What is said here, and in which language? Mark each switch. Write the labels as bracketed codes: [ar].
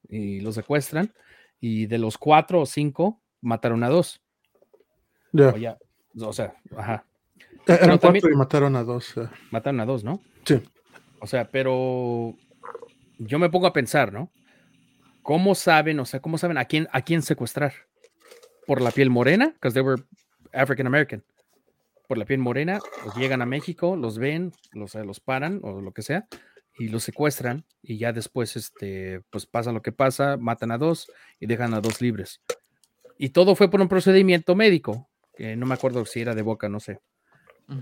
[es] Y los secuestran. Y de los 4 o 5, mataron a 2. Ya. O sea, ajá. Eran 4 y mataron a 2. Mataron a 2, ¿no? Sí. O sea, pero yo me pongo a pensar, ¿no? ¿Cómo saben, a quién secuestrar? ¿Por la piel morena? [en] Because they were African American. [es] Por la piel morena, pues llegan a México, los ven, los paran o lo que sea. Y los secuestran, y ya después, pues pasa lo que pasa, matan a 2 y dejan a 2 libres. Y todo fue por un procedimiento médico, que no me acuerdo si era de boca, no sé. Uh-huh.